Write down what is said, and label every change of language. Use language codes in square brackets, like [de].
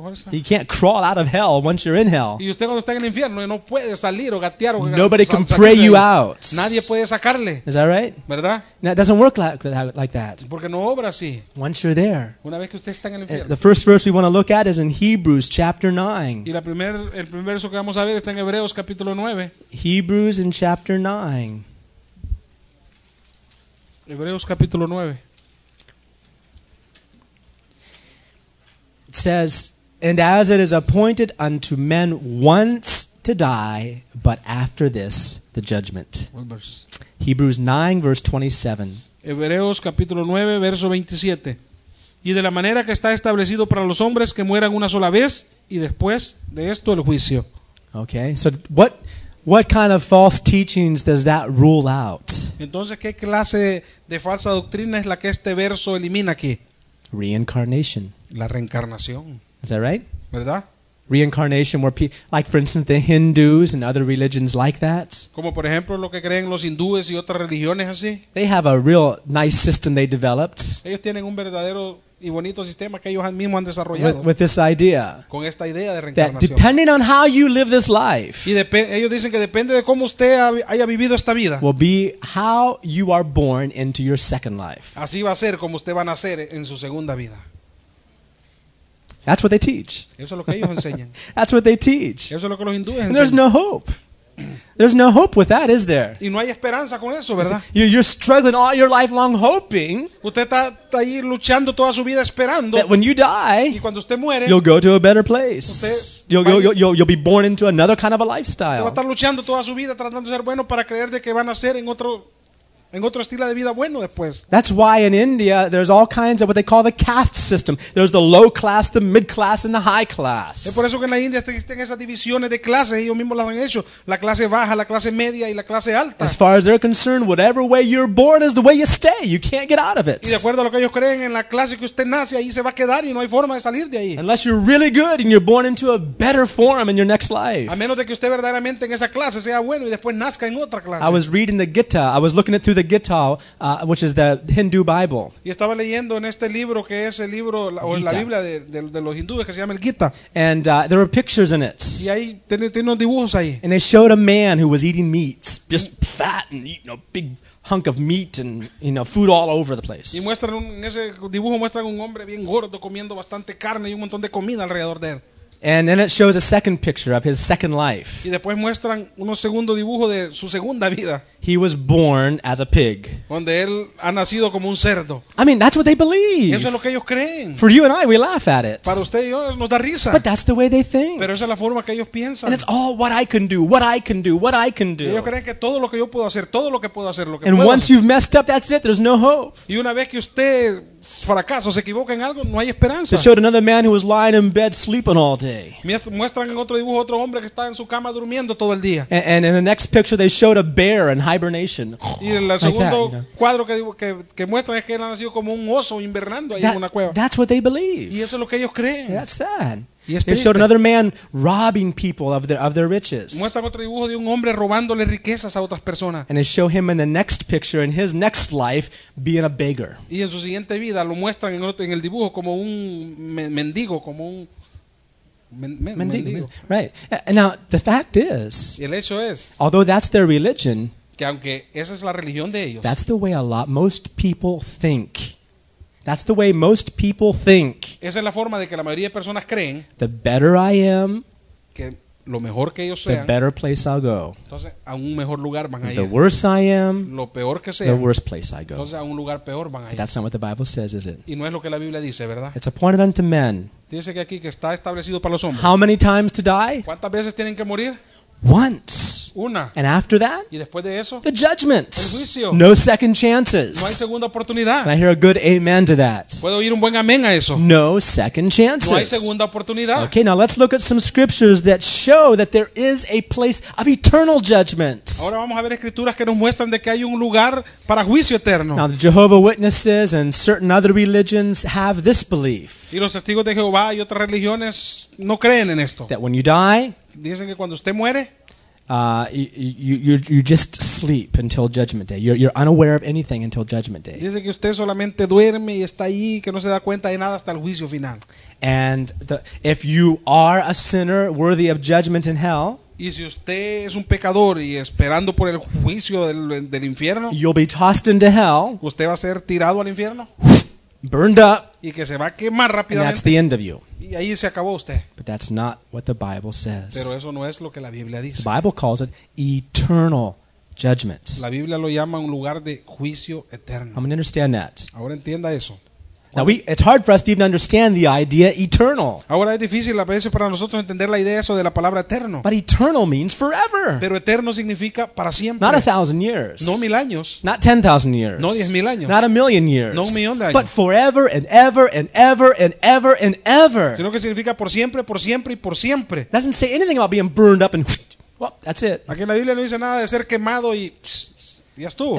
[en] You can't crawl out of hell once you're in hell. [es] Y usted cuando está en el infierno no puede salir o gatear o [en] Nobody can pray you out. [es] Nadie puede sacarle. [en] Is that right? [es] ¿Verdad? [en] No, it doesn't work like that. [es] Porque no obra así. [en] Once you're there. [es] Una vez que usted está en el infierno. [en] The first verse we want to look at is in Hebrews chapter 9. [es] Y el primer verso que vamos a ver está en Hebreos capítulo 9. [en] Hebrews in chapter 9. [es] Hebreos capítulo 9. [en] Says, and as it is appointed unto men once to die, but after this the judgment. Hebrews 9, verse 27. [es] Hebreos capítulo 9, verso 27. Y de la manera que está establecido para los hombres que mueran una sola vez, y después de esto el juicio. [en] Okay, so what kind of false teachings does that rule out? [es] Entonces, ¿qué clase de falsa doctrina es la que este verso elimina aquí? [en] Reincarnation. [es] La reencarnación. [en] Is that right? [es] ¿Verdad? [en] Reincarnation, where like for instance the Hindus and other religions like that. [es] Como por ejemplo lo que creen los hindúes y otras religiones así. [en] They have a real nice system they developed. [es] Ellos tienen un verdadero y bonito sistema que ellos mismos han desarrollado. [en] With this idea. [es] Con esta idea de reencarnación. [en] That depending on how you live this life. [es] Y ellos dicen que depende de cómo usted haya vivido esta vida. [en] Will be how you are born into your second life. [es] Así va a ser como usted va a nacer en su segunda vida. [en] That's what they teach. [es] Eso es lo que ellos enseñan. [en] That's what they teach. [es] Eso es lo que los hindúes enseñan. [en] And there's no hope. There's no hope with that, is there? [es] Y no hay esperanza con eso, ¿verdad? [en] You're struggling all your life long hoping. [es] Usted está ahí luchando toda su vida esperando. [en] That when you die, [es] y cuando usted muere, [en] you'll go to a better place. [es] Usted [en] you'll be born into another kind of a lifestyle. [es] Va a estar luchando toda su vida tratando de ser bueno para creer de que van a ser en otro estilo de vida bueno después. [en] That's why in India there's all kinds of what they call the caste system. There's the low class, the mid class, and the high class. [es] Es por eso que en la India existen esas divisiones de clases. Ellos mismos las han hecho. La clase baja, la clase media y la clase alta. [en] As far as they're concerned, whatever way you're born is the way you stay. You can't get out of it. [es] Y de acuerdo a lo que ellos creen, en la clase que usted nace, ahí se va a quedar y no hay forma de salir de ahí. [en] Unless you're really good and you're born into a better form in your next life. [es] A menos de que usted verdaderamente en esa clase sea bueno y después nazca en otra clase. [en] I was reading the Gita. I was looking it through the Gita, which is the Hindu Bible. [es] Y estaba leyendo en este libro que es el libro o la Biblia de los hindúes que se llama el Gita. [en] And there were pictures in it. [es] Y ahí tiene unos dibujos ahí. [en] And they showed a man who was eating meat, just fat and eating a big hunk of meat and food all over the place. [es] Y muestran en ese dibujo muestran un hombre bien gordo comiendo bastante carne y un montón de comida alrededor de él. [en] And then it shows a second picture of his second life. [es] Y después muestran unos segundo dibujo de su segunda vida. [en] He was born as a pig. [es] Donde él ha nacido como un cerdo. [en] I mean, that's what they believe. [es] Eso es lo que ellos creen. [en] For you and I, we laugh at it. [es] Para usted y yo, nos da risa. [en] But that's the way they think. [es] Pero esa es la forma que ellos piensan. [en] And it's all what I can do, what I can do, what I can do. [es] Ellos creen que todo lo que yo puedo hacer, todo lo que puedo hacer, lo que [en] And [es] puedo [en] once [es] hacer. [en] You've messed up, that's it. There's no hope. [es] Y una vez que usted fracaso, se equivoca en algo, no hay esperanza. [en] They showed another man who was lying in bed sleeping all day. [es] Muestran en otro dibujo otro hombre que está en su cama durmiendo todo el día. [en] And in the next picture, they showed a bear in hibernation. [es] Y en el segundo [en] like that, [es] cuadro que muestran es que él ha nacido como un oso invernando ahí en una cueva. [en] That's what they believe. [es] Y eso es lo que ellos creen. [en] That's sad. They showed another man robbing people of their riches. [es] Muestran otro dibujo de un hombre robándole riquezas a otras personas. [en] And they show him in the next picture in his next life being a beggar. [es] Y en su siguiente vida lo muestran en el dibujo como un mendigo, como un mendigo. [en] Right. And now the fact is, [es] y el hecho es, [en] although that's their religion, [es] que aunque esa es la religión de ellos, [en] that's the way a lot most people think. That's the way most people think. [es] Esa es la forma de que la mayoría de personas creen. [en] The better I am, [es] que lo mejor que ellos sean, [en] the better place I'll go. [es] Entonces, a un mejor lugar van a ir. [en] The worse I am, [es] lo peor que sea, [en] the worse place I go. [es] Entonces, a un lugar peor van a ir. [en] That's not what the Bible says, is it? [es] Y no es lo que la Biblia dice, ¿verdad? [en] It's appointed unto men. [es] Dice que aquí que está establecido para los hombres. [en] How many times to die? [es] ¿Cuántas veces tienen que morir? [en] Once. [es] Una. [en] And after that, [es] y después de eso, [en] the judgment. [es] El juicio. [en] No second chances. [es] No hay segunda oportunidad. [en] Can I hear a good amen to that? [es] ¿Puedo oír un buen amén a eso? [en] No second chances. [es] No hay segunda oportunidad. [en] Okay, now let's look at some scriptures that show that there is a place of eternal judgment. [es] Ahora vamos a ver escrituras que nos muestran de que hay un lugar para juicio eterno. [en] Now the Jehovah Witnesses and certain other religions have this belief. [es] Y los testigos de Jehová y otras religiones no creen en esto. [en] That when you die, [es] dicen que cuando usted muere, [en] you just sleep until judgment day. You're unaware of anything until judgment day. [es] Dice que usted solamente duerme y está ahí, que no se da cuenta de nada hasta el juicio final. [en] And if you are a sinner worthy of judgment in hell, [es] y si usted es un pecador y esperando por el juicio del infierno, [en] you'll be tossed into hell. [es] Usted va a ser tirado al infierno. [en] Burned up. [es] Y que se va a quemar rápidamente. [en] And that's the end of you. [es] Y ahí se acabó usted. [en] But that's not what the Bible says. [es] Pero eso no es lo que la Biblia dice. [en] The Bible calls it eternal judgment. [es] La Biblia lo llama un lugar de juicio eterno. [en] I'm going to understand that. [es] Ahora entienda eso. [en] Now it's hard for us to even understand the idea eternal. [es] Ahora es difícil a veces para nosotros entender la idea eso de la palabra eterno. [en] But eternal means forever. [es] Pero eterno significa para siempre. [en] Not 1,000 years. [es] No 1,000 años. [en] Not 10,000 years. [es] No 10,000 años. [en] Not 1,000,000 years. [es] No 1,000,000 de años. [en] But forever and ever and ever and ever and ever. [es] Sino que significa por siempre, por siempre y por siempre. [en] Doesn't say anything about being burned up and well, that's it. [es] Aquí en la Biblia no dice nada de ser quemado y ya estuvo.